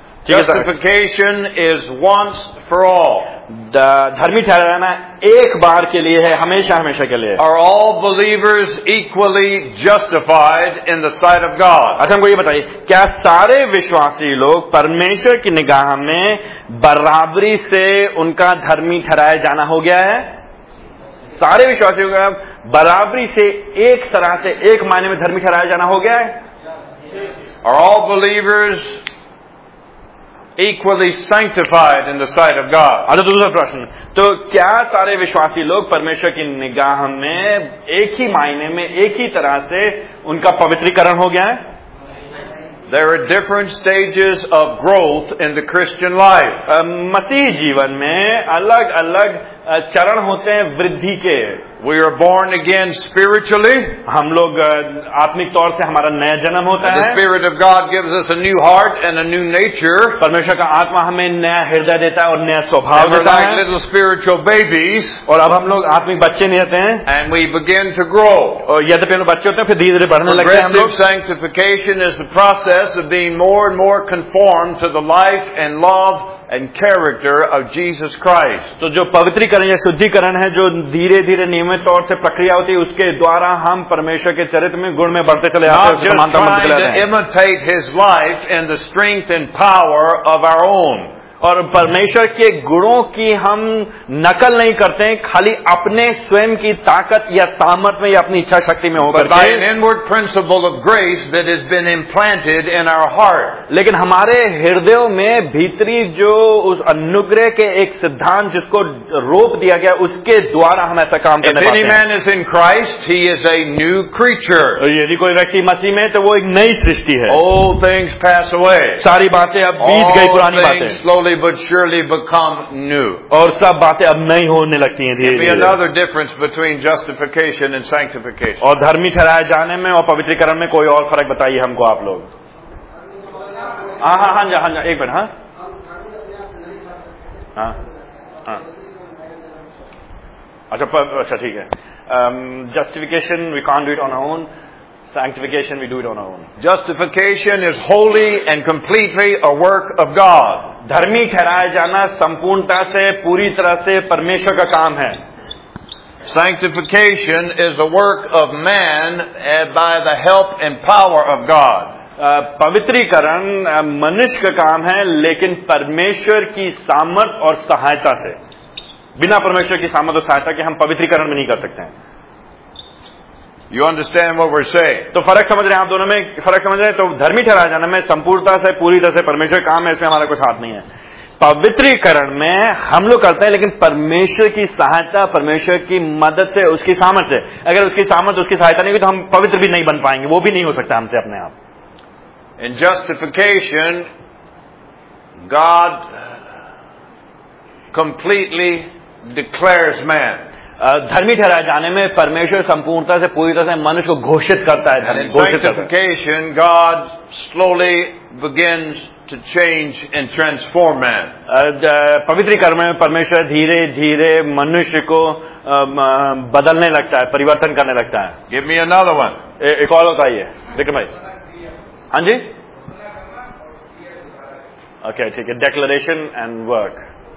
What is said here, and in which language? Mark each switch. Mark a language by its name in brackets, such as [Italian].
[English] Justification is once for all. [Hindi] धर्मी ठहराना एक बार के लिए है, हमेशा हमेशा के लिए. [English] Are all believers equally justified in the sight of God? [Hindi] अच्छा, हमको ये बताइए, क्या सारे विश्वासी लोग परमेश्वर की निगाह में बराबरी से उनका धर्मी ठहराया जाना हो गया है? सारे विश्वासियों का बराबरी से एक तरह से एक मायने में धर्मी ठहराया जाना हो गया है? [English] Are all believers equally sanctified in the sight of God. [Hindi] अच्छा दूसरा प्रश्न, तो क्या सारे विश्वासी लोग परमेश्वर की निगाह में एक ही मायने में एक ही तरह से उनका पवित्रीकरण हो गया है? [English] There are different stages of growth in the Christian life. [Hindi] मसीह जीवन में अलग अलग चरण होते हैं वृद्धि के. [English] We are born again spiritually. [Hindi] हम लोग आत्मिक तौर से हमारा नया जन्म होता है. [English] The Spirit of God gives us a new heart and a new nature. [Hindi] परमेश्वर का आत्मा हमें नया हृदय देता है और नया स्वभाव देता है. [English] We're like little spiritual babies. [Hindi] और अब हम लोग आत्मिक बच्चे नहीं रहते हैं. [English] And we begin to grow. [Hindi] और यद्यपि हम बच्चे होते हैं फिर धीरे धीरे बढ़ने लगते हैं हम लोग. [English] Sanctification is the process of being more and more conformed to the life and love and character of Jesus Christ. [Hindi] तो जो पवित्रीकरण या शुद्धिकरण है जो धीरे धीरे नियमित तौर से प्रक्रिया होती है उसके द्वारा हम परमेश्वर के चरित्र में गुण में बढ़ते चले जाते हैं [English] Strength and power of our own. [Hindi] और परमेश्वर के गुणों की हम नकल नहीं करते हैं खाली अपने स्वयं की ताकत या सामर्थ में या अपनी इच्छा शक्ति में होकर के. [English] An inward principle of grace that has been implanted in our heart. [Hindi] लेकिन हमारे हृदयों में भीतरी जो उस अनुग्रह के एक सिद्धांत जिसको रोप दिया गया उसके द्वारा हम ऐसा काम करने पाते हैं. [English] Any man is in Christ, he is a new creature. [Hindi] यदि कोई व्यक्ति मसीह में है तो वो एक नई सृष्टि है. [English] All things pass away. [Hindi] सारी बातें अब बीत गई पुरानी बातें. [English] Slowly but surely become new. [Hindi] और सब बातें अब नई होने लगती हैं धीरे धीरे. [English] Another difference between justification and sanctification. [Hindi] और धर्मी ठहराए जाने में और पवित्रीकरण में कोई और फर्क बताइए हमको आप लोग. हाँ हाँ हाँ जी हाँ जी एक मिनट. हाँ अच्छा अच्छा ठीक है. [English] Justification we can't do it on our own. Sanctification we do it on our own. Justification is wholly and completely a work of God. [Hindi] धर्मी ठहराए जाना संपूर्णता से पूरी तरह से परमेश्वर का काम है. [English] Sanctification is a work of man by the help and power of God. [Hindi] पवित्रीकरण मनुष्य का काम है लेकिन परमेश्वर की सामर्थ और सहायता से. बिना परमेश्वर की सामर्थ और सहायता के हम पवित्रीकरण भी नहीं कर सकते हैं. [English] You understand what we're saying? [Hindi] तो फर्क समझ रहे हैं आप दोनों में? फर्क समझ रहे हैं? तो धर्मी ठहराए जाने में संपूर्णता से पूरी तरह से परमेश्वर का काम है, इसमें हमारा कुछ हाथ नहीं है. पवित्रीकरण में हम लोग करते हैं लेकिन परमेश्वर की सहायता, परमेश्वर की मदद से, उसकी सामर्थ से. अगर उसकी सामर्थ उसकी सहायता नहीं हुई तो हम पवित्र भी नहीं बन पाएंगे, वो भी नहीं हो सकता हमसे अपने आप. [English] In justification, God completely declares man. [Hindi] धर्मी ठहराए जाने में परमेश्वर संपूर्णता से पूरी तरह से मनुष्य को घोषित करता है. [English] Sanctification, God slowly begins to change and transform man. [Hindi] पवित्रीकरण में परमेश्वर धीरे धीरे मनुष्य को बदलने लगता है, परिवर्तन करने लगता है. [English] Give me another one. [Hindi] एक और बताइए विक्रम भाई. हाँ जी ओके ठीक है. [English] Declaration and work.